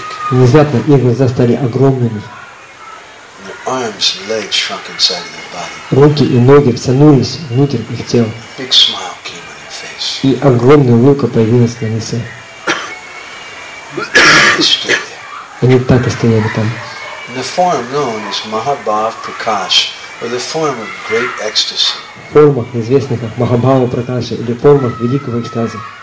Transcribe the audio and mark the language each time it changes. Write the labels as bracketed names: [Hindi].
[Russian] Внезапно их глаза стали огромными. [English] Arms and legs shrunk inside of their body. [Russian] Руки и ноги втянулись внутрь их тел. [English] Big smile came on their face. [Russian] И огромная улыбка появилась на лице. Они так и стояли там. [English] The form known as Mahabhav Prakash, or the form of great ecstasy. [Russian] Форма, известная как Махабхава Пракаша, или форма великого экстаза.